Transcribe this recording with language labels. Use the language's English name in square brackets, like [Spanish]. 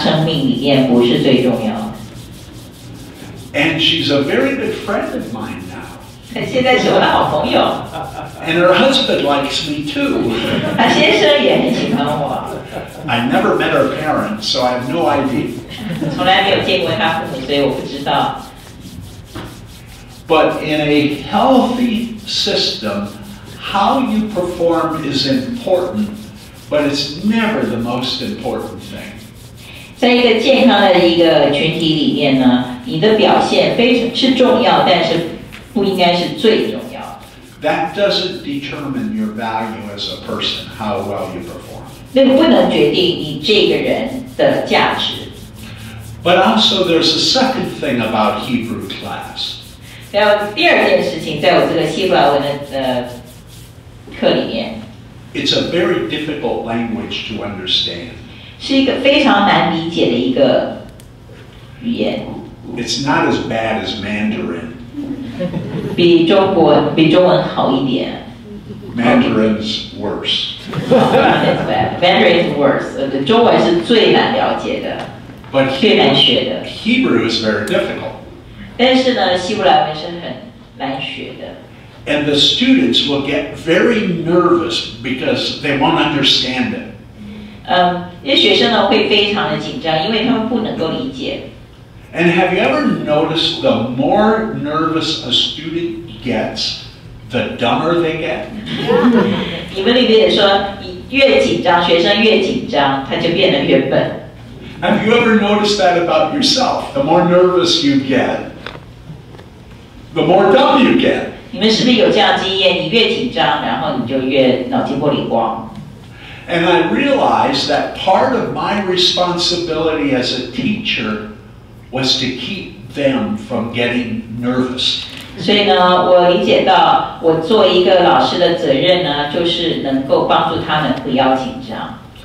[Chinese] 因为她开始了解这个事情在她生命里面不是最重要的。 [English] And she's a very good friend of mine now. [Chinese] 现在是我的好朋友。 [English] And her husband likes me too. [Chinese] 她先生也很喜欢我。 [English] I never met her parents, so I have no idea. [Chinese] 从来没有见过她父母，所以我不知道。 [English] But in a healthy system, how you perform is important, but it's never the most important thing. [Chinese] 在一个健康的一个群体里面呢，你的表现非常是重要，但是不应该是最重要的。 [English] That doesn't determine your value as a person, how well you perform. [Chinese] 那不能决定你这个人的价值。 [English] But also, there's a second thing about Hebrew class. [Chinese] 然后第二件事情，在我这个希伯来文的课里面。 [English] It's a very difficult language to understand. [Chinese] 是一个非常难理解的一个语言。 [English] It's not as bad as Mandarin. [Chinese] 比中文好一点。 [English] Mandarin's worse. Mandarin's worse. [Chinese] 中文是最难了解的。 [English] But [Chinese] 最难学的。 [English] Hebrew is very difficult. [Chinese] 但是呢，希伯来文是很难学的。 [English] And the students will get very nervous because they won't understand it. [Chinese] 因为学生呢会非常的紧张，因为他们不能够理解。 [English] And have you ever noticed the more nervous a student gets, the dumber they get? [Chinese] 你们里面也说，越紧张，学生越紧张，他就变得越笨。 [English] Have you ever noticed that about yourself? The more nervous you get, the more dumb you get. [Chinese] 你们是不是有这样经验？你越紧张，然后你就越脑筋不灵光。 [English] And I realized that part of my responsibility as a teacher was to keep them from getting nervous. [Chinese] 所以呢，我理解到我做一个老师的责任呢，就是能够帮助他们不要紧张。